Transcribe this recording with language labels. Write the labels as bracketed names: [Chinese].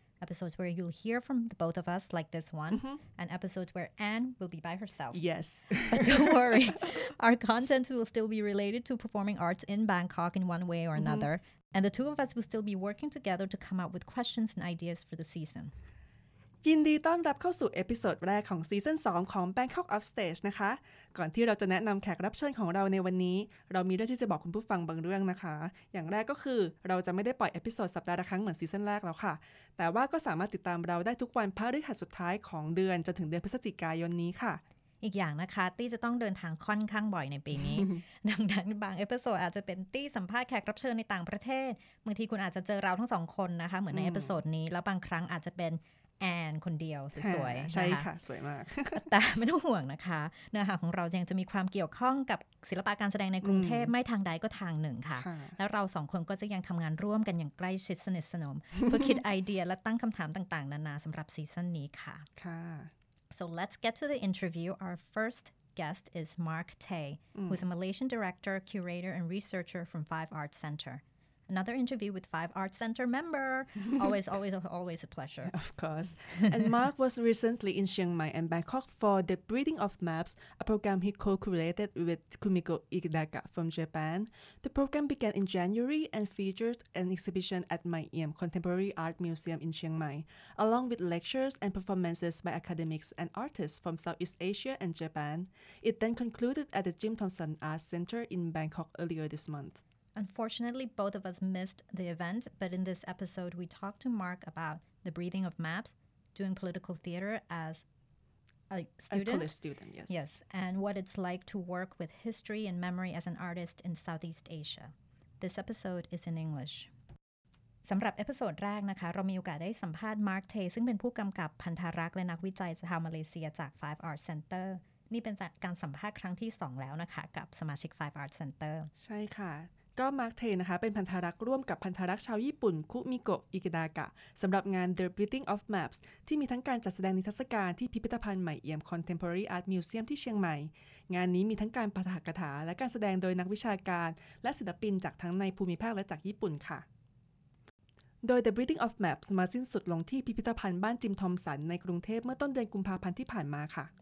[English] Episodes where you'll hear from the both of us, like this one, mm-hmm. and episodes where Anne will be by herself. Yes. But don't worry, our content will still be related to performing arts in Bangkok in one way or another. Mm-hmm. And the two of us will still be working together to come up with questions and ideas for the season. [Thai] ยินดีต้อนรับเข้าสู่เอพิโซดแรกของซีซั่น2ของ Bangkok Offstage นะคะก่อนที่เราจะแนะนำแขกรับเชิญของเราในวันนี้เรามีเรื่องที่จะบอกคุณผู้ฟังบางเรื่องนะคะอย่างแรกก็คือเราจะไม่ได้ปล่อยเอพิโซดสัปดาห์ละครั้งเหมือนซีซั่นแรกแล้วค่ะแต่ว่าก็สามารถติดตามเราได้ทุกวันพฤหัสสุดท้ายของเดือนจนถึงเดือนพฤศจิกายนนี้ค่ะ อีกอย่างนะคะตี้จะต้องเดินทางค่อนข้างบ่อยในปีนี้ ดังนั้นบางเอพิโซดอาจจะเป็นตี้สัมภาษณ์แขกรับเชิญในต่างประเทศบางทีคุณอาจจะเจอเราทั้ง2คนนะคะเหมือนในเอพิโซดนี้แล้วบางครั้งอาจจะเป็นแอนคนเดียวสวยๆ ใช่ค่ะสวยมาก แต่ไม่ต้องห่วงนะคะเนื้อหาของเรายังจะมีความเกี่ยวข้องกับศิลปะการแสดงในกรุงเทพไม่ทางใดก็ทางหนึ่งค่ะแล้วเราสองคนก็จะยังทำงานร่วมกันอย่างใกล้ชิดสนิทสนมเพื่อคิดไอเดียและตั้งคำถามต่างๆนานาสำหรับซีซั่นนี้ค่ะ ค่ะ [English] So let's get to the interview. Our first guest is Mark Tay, who's a Malaysian director, curator, and researcher from Five Arts Center. Another interview with Five Arts Center member. Always, always, always a pleasure. Of course. And Mark was recently in Chiang Mai and Bangkok for the Breeding of Maps, a program he co-created with Kumiko Ikedaka from Japan. The program began in January and featured an exhibition at Mai Yim Contemporary Art Museum in Chiang Mai, along with lectures and performances by academics and artists from Southeast Asia and Japan. It then concluded at the Jim Thompson Arts Center in Bangkok earlier this month. Unfortunately, both of us missed the event, but in this episode, we talked to Mark about the breathing of maps, doing political theater as a student. A college student, yes. Yes, and what it's like to work with history and memory as an artist in Southeast Asia. This episode is in English. [Thai] สำหรับเอพิโซดแรกนะคะเรามีโอกาสได้สัมภาษณ์ Mark Tay ซึ่งเป็นผู้กำกับพันธารักษ์และนักวิจัยชาวมาเลเซียจาก Five Arts Centerนี่เป็นการสัมภาษณ์ครั้งที่2แล้วนะคะกับสมาชิก Five Arts Center ใช่ค่ะก็มาร์คเทนะคะเป็นพันธรักษ์ร่วมกับพันธรักษ์ชาวญี่ปุ่นคุมิโกะอิกิดากะสำหรับงาน The Breeding of Maps ที่มีทั้งการจัดแสดงนิทรรศการที่พิพิธภัณฑ์ใหม่เอี่ยม Contemporary Art Museum ที่เชียงใหม่งานนี้มีทั้งการปาฐกถาและการแสดงโดยนักวิชาการและศิลปินจากทั้งในภูมิภาคและจากญี่ปุ่นค่ะโดย The Breeding of Maps มาสิ้นสุดลงที่พิพิธภัณฑ์บ้านจิมทอมสันในกรุงเทพเมื่อต้นเดือนกุมภาพันธ์ที่ผ่านมาค่ะ